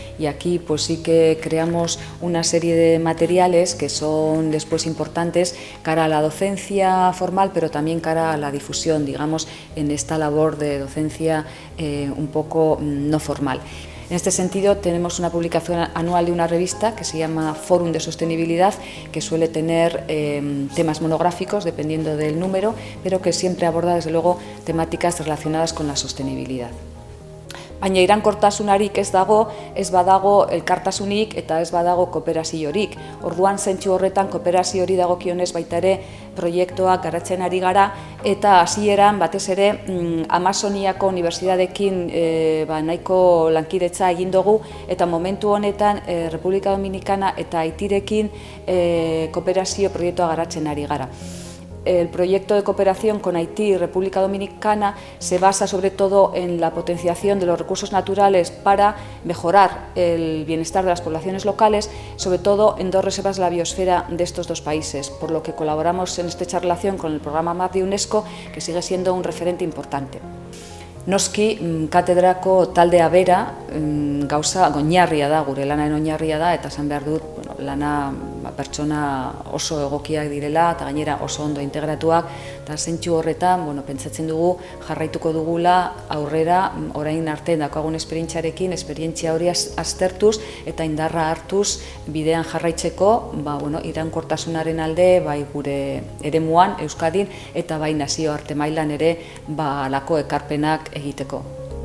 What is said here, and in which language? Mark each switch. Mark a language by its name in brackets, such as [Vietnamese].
[Spanish] Y aquí, pues sí que creamos una serie de materiales que son después importantes cara a la docencia formal, pero también cara a la difusión, digamos, en esta labor de docencia un poco no formal. En este sentido, tenemos una publicación anual de una revista que se llama Fórum de Sostenibilidad, que suele tener temas monográficos, dependiendo del número, pero que siempre aborda, desde luego, temáticas relacionadas con la sostenibilidad. [Basque] Baina irankortasunarik ez dago, ez badago elkartasunik eta ez badago kooperaziorik. Orduan zentzu horretan kooperazio hori dagokionez baita ere proiektuak garatzen ari gara eta hasieran batez ere Amazoniako unibertsitateekin nahiko lankidetza egin dugu eta momentu honetan Republika Dominikana eta Haitirekin kooperazio proiektua garatzen ari gara. [Spanish] El proyecto de cooperación con Haití y República Dominicana se basa sobre todo en la potenciación de los recursos naturales para mejorar el bienestar de las poblaciones locales, sobre todo en dos reservas de la biosfera de estos dos países, por lo que colaboramos en estrecha relación con el programa MAP de UNESCO, que sigue siendo un referente importante. [Basque] Noski, katedrako taldea bera, gauza oinarria da, gure lanaren oinarria da, eta esan behar dut, bueno, lana pertsona oso egokiak direla, eta gainera oso ondo integratuak, eta zentzu horretan, bueno, pentsatzen dugu, jarraituko dugula aurrera, orain arte daukagun esperientziarekin, esperientzia hori aztertuz, eta indarra hartuz, bidean jarraitzeko, ba, bueno, irankortasunaren alde, bai gure eremuan, Euskadin, eta bai nazioarte mailan ere, ba, lako ekarpenak egiteko.